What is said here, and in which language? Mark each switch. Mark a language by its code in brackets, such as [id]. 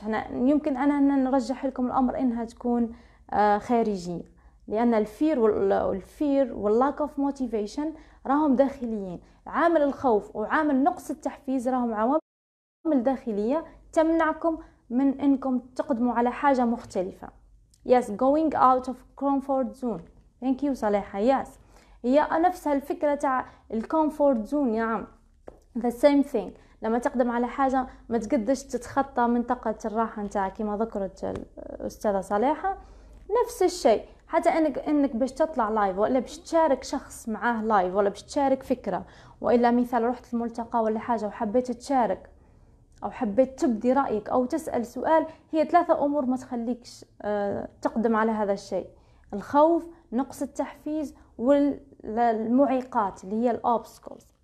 [ar] احنا يمكن انا نرجح لكم الامر انها تكون خارجيه، لان الفير والفير واللاك اوف موتيفيشن راهم داخليين. عامل الخوف وعامل نقص التحفيز راهم عوامل داخليه تمنعكم من انكم تقدموا على حاجه مختلفه. [en] yes going out of comfort zone. thank you صالحه. yes [ar] هي نفسها الفكره تاع الكومفورت زون. نعم ذا سيم ثينج، لما تقدم على حاجه ما تقدرش تتخطى منطقه الراحه نتاعك كما ذكرت الاستاذه صالحه. نفس الشيء حتى انك باش تطلع لايف، ولا باش تشارك شخص معاه لايف، ولا باش تشارك فكره، والا مثال رحت الملتقى ولا حاجه وحبيت تشارك او حبيت تبدي رايك او تسال سؤال، هي ثلاثه امور ما تخليكش تقدم على هذا الشيء: الخوف، نقص التحفيز، والمعيقات اللي هي الاوبستكلز.